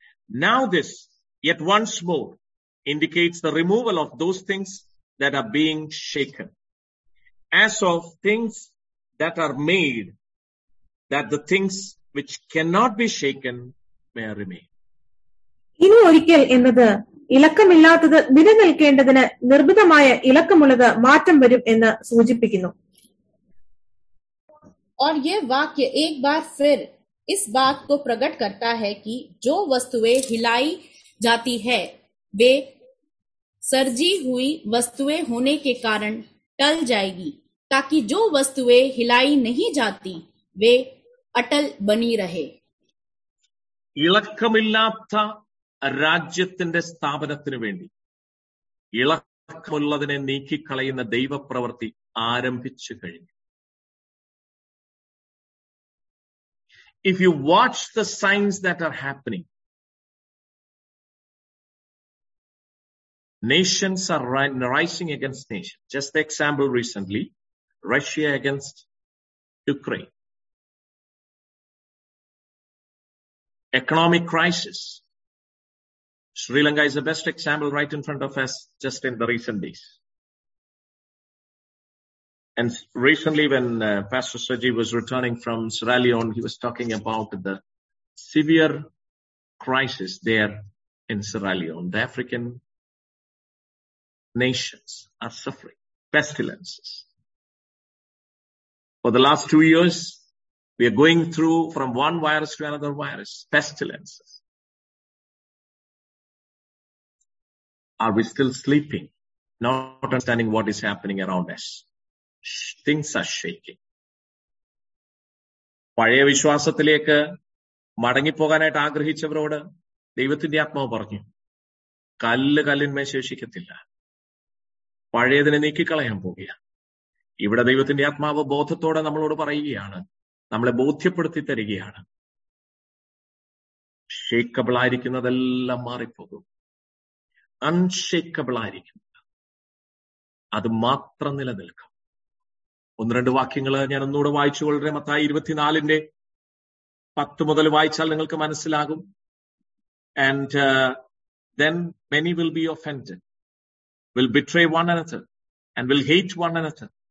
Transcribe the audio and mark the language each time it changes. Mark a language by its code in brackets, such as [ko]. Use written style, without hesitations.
[en] Now this yet once more indicates the removal of those things that are being shaken as of things that are made that the things which cannot be shaken may remain. [ml] ഇനി ഒരിക്കൽ എന്നത് ഇളക്കമില്ലാത്തത് നിലനിൽക്കേണ്ടതിന് നിർബന്ധമായ ഇളക്കമുള്ളത് മാറ്റം വരും എന്ന് സൂചിപ്പിക്കുന്നു. [hi] और ये वाक्य एक बार फिर इस बात को प्रकट करता है कि जो वस्तुएं हिलाई जाती है वे सर्जी हुई वस्तुएं होने के कारण टल जाएगी, ताकि जो वस्तुएं हिलाई नहीं जाती वे अटल बनी रहे. [ml] ഇളക്കമില്ലാത്ത രാജ്യത്തിന്റെ സ്ഥാപനത്തിന് വേണ്ടി ഇളക്കമുള്ളതിനെ നീക്കിക്കളയുന്ന ദൈവപ്രവൃത്തി ആരംഭിച്ചു കഴിഞ്ഞു. [en] If you watch the signs that are happening, nations are rising against nations. Just the example recently, Russia against Ukraine. Economic crisis. Sri Lanka is the best example right in front of us just in the recent days. And recently when Pastor Saji was returning from Sierra Leone, he was talking about the severe crisis there in Sierra Leone. The African nations are suffering pestilences. For the last 2 years, we are going through from one virus to another virus, pestilences. Are we still sleeping, not understanding what is happening around us? Things are shaking. [ml] പഴയ വിശ്വാസത്തിലേക്ക് മടങ്ങിപ്പോകാനായിട്ട് ആഗ്രഹിച്ചവരോട് ദൈവത്തിന്റെ ആത്മാവ് പറഞ്ഞു, കല്ല് കല്ലിന്മേ ശേഷിക്കത്തില്ല, പഴയതിനെ നീക്കിക്കളയാൻ പോകുക. ഇവിടെ ദൈവത്തിന്റെ ആത്മാവ് ബോധത്തോടെ നമ്മളോട് പറയുകയാണ്, നമ്മളെ ബോധ്യപ്പെടുത്തി തരികയാണ്, ഷേക്കബിൾ ആയിരിക്കുന്നതെല്ലാം മാറിപ്പോകും, അൺഷേക്കബിൾ ആയിരിക്കും, അത് മാത്രം നിലനിൽക്കും. ഒന്ന് രണ്ട് വാക്യങ്ങൾ ഞാൻ ഒന്നുകൂടെ വായിച്ചു കൊള്ളട്ടെ. മത്തായി 24:10 വായിച്ചാൽ നിങ്ങൾക്ക് മനസ്സിലാകും. [en] And then many will be offended, will betray one another, and will hate one another.